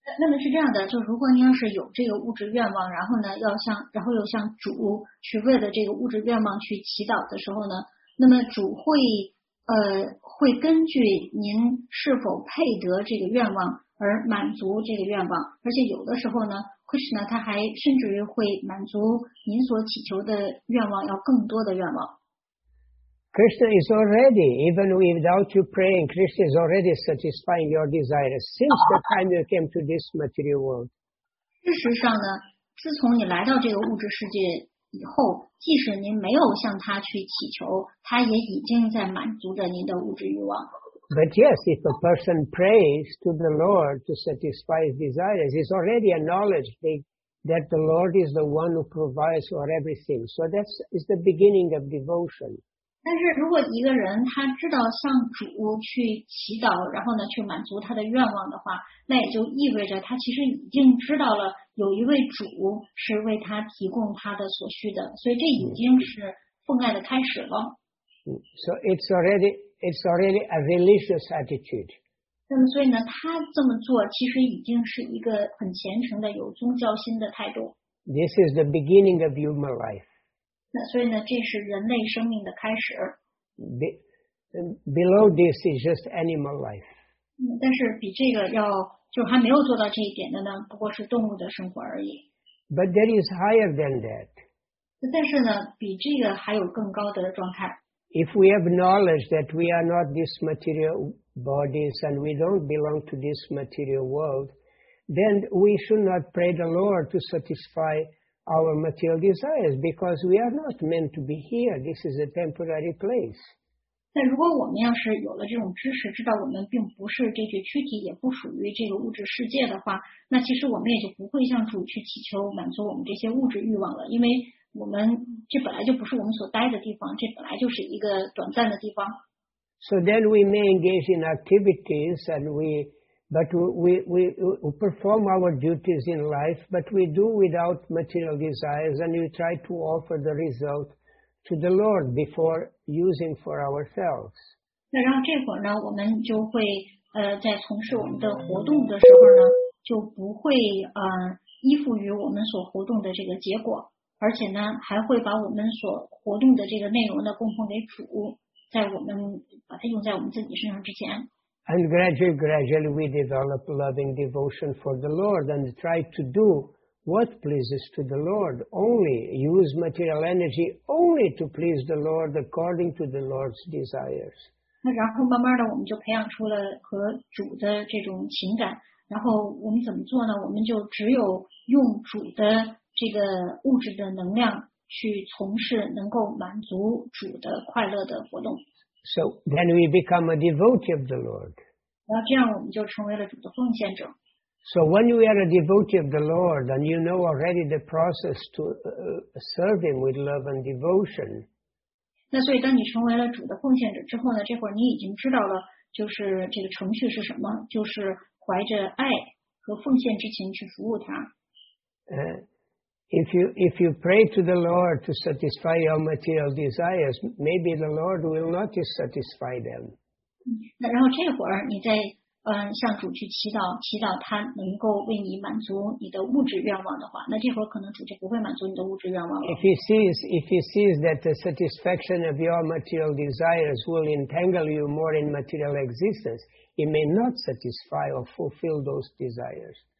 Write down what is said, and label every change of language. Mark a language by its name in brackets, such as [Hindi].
[Chinese] 那么是这样的，就如果你要是有这个物质愿望，然后呢，要向，然后又向主去为了这个物质愿望去祈祷的时候呢，那么主会根据您是否配得这个愿望而满足这个愿望，而且有的时候呢 ，Krishna 他还甚至于会满足您所祈求的愿望，要更多的愿望。 [English] Krishna is already, even without you praying, Krishna is already satisfying your desires since the time you came to this material world. [Chinese] 事实上呢，自从你来到这个物质世界以后，即使您没有向他去祈求，他也已经在满足着您的物质欲望。 [English] But yes, if a person prays to the Lord to satisfy his desires, he's already acknowledged that the Lord is the one who provides for everything. So that is the beginning of devotion. [Chinese] 但是如果一个人他知道向主去祈祷，然后呢去满足他的愿望的话，那也就意味着他其实已经知道了有一位主是为他提供他的所需的，所以这已经是奉爱的开始了。 [English] So it's already a religious attitude. [Chinese] 那么所以呢，他这么做其实已经是一个很虔诚的有宗教心的态度。 [English] This is the beginning of human life. [Chinese] 那所以呢，这是人类生命的开始。 [English] Below this is just animal life. [Chinese] 但是比这个要就还没有做到这一点的呢，不过是动物的生活而已。 [English] But there is higher than that. [Chinese] 但是呢，比这个还有更高的状态。 [English] If we have knowledge that we are not this material bodies and we don't belong to this material world, then we should not pray the Lord to satisfy our material desires because we are not meant to be here. This is a temporary place. [Chinese] 那如果我们要是有了这种知识，知道我们并不是这具躯体，也不属于这个物质世界的话，那其实我们也就不会向主去祈求满足我们这些物质欲望了，因为我们这本来就不是我们所待的地方，这本来就是一个短暂的地方。 [English] So then we may engage in activities and we perform our duties in life, but we do without material desires and we try to offer the result to the Lord before using for ourselves. [Chinese] 那然后这会儿呢，我们就会在从事我们的活动的时候呢，就不会依附于我们所活动的这个结果。而且呢，还会把我们所活动的这个内容呢供奉给主，在我们把它用在我们自己身上之前。 [English] And gradually we develop loving devotion for the Lord and try to do what pleases to the Lord. Only use material energy only to please the Lord according to the Lord's desires. [Chinese] 那然后慢慢的我们就培养出了和主的这种情感。然后我们怎么做呢？我们就只有用主的这个物质的能量去从事能够满足主的快乐的活动。 [English] So then we become a devotee of the Lord. [Chinese] 然后这样我们就成为了主的奉献者。 [English] So when you are a devotee of the Lord and you know already the process to serve Him with love and devotion, [Chinese] 那所以当你成为了主的奉献者之后呢，这会儿你已经知道了，就是这个程序是什么，就是怀着爱和奉献之情去服务他。 [English] If you pray to the Lord to satisfy your material desires, maybe the Lord will not satisfy them. [Chinese] 那然后这会儿你再向主去祈祷，祈祷他能够为你满足你的物质愿望的话，那这会儿可能主就不会满足你的物质愿望了。 [English] If he sees, if he sees that the satisfaction of your material desires will entangle you more in material existence, he may not satisfy or fulfill those desires.